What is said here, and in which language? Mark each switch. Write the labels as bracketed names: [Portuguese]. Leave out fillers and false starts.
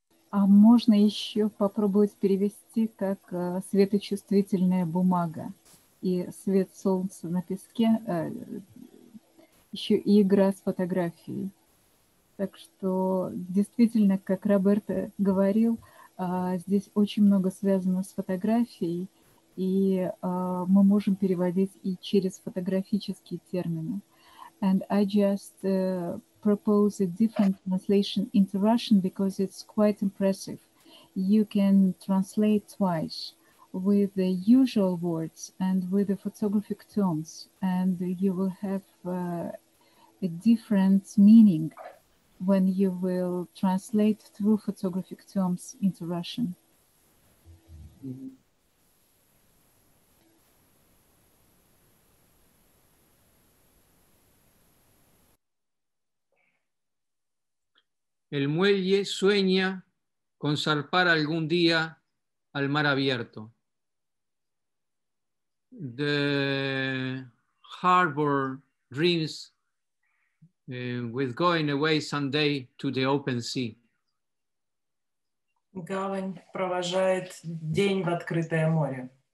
[Russian] А можно еще попробовать перевести как светочувствительная бумага и свет солнца на песке, еще и игра с фотографией. Так что действительно, как Роберто говорил, здесь очень много связано с фотографией, и мы можем переводить и через фотографические термины. [English] And I just propose a different translation into Russian because it's quite impressive. You can translate twice with the usual words and with the photographic terms, and you will have a different meaning when you will translate through photographic terms into Russian. [Spanish] El muelle sueña con zarpar algún día al mar abierto. [English] The harbor dreams with going away someday to the open sea. [Russian] Гавань провожает день в открытое море.